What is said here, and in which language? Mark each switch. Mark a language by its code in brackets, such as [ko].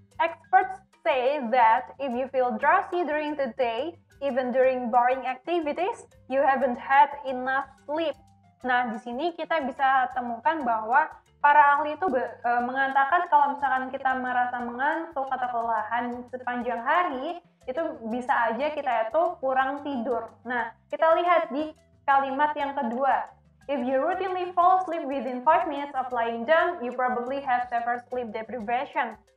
[en] Experts say that if you feel drowsy during the day, even during boring activities, you haven't had enough sleep. [id] Nah, di sini kita bisa temukan bahwa para ahli itu mengatakan kalau misalkan kita merasa mengantuk atau kelelahan sepanjang hari, itu bisa aja kita itu kurang tidur. Nah, kita lihat di kalimat yang kedua. [en] If you routinely fall asleep within 5 minutes of lying down, you probably have severe sleep deprivation.